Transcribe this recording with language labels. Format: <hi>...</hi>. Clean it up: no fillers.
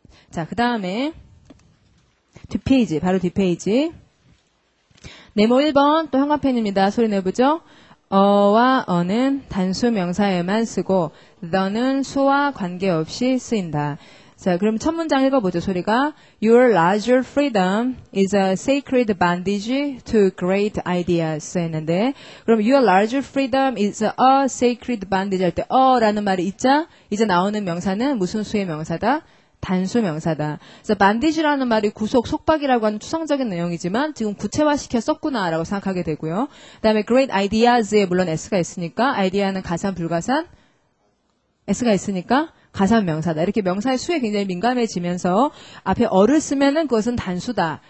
<ko>자, 그 다음에 뒷페이지, 바로 뒷페이지. 네모 1번, 또 형광펜입니다. 소리 내보죠. 어와 어는 단수명사에만 쓰고, the는 수와 관계없이 쓰인다. 자, 그럼 첫 문장 읽어보죠, 소리가.</ko> <en>Your larger freedom is a sacred bandage to great ideas</en> <ko>했는데, 그럼</ko> <en>your larger freedom is a sacred bandage</en> <ko>할 때 어라는 말이 있자, 이제 나오는 명사는 무슨 수의 명사다? 단수 명사다. 그래서 bandage라는 말이 구속, 속박이라고 하는 추상적인 내용이지만 지금 구체화시켜 썼구나라고 생각하게 되고요. 그 다음에 great ideas에 물론 s가 있으니까, idea는 가산, 불가산? s가 있으니까 가산 명사다. 이렇게 명사의 수에 굉장히 민감해지면서 앞에 어를 쓰면은 그것은 단수다.</ko>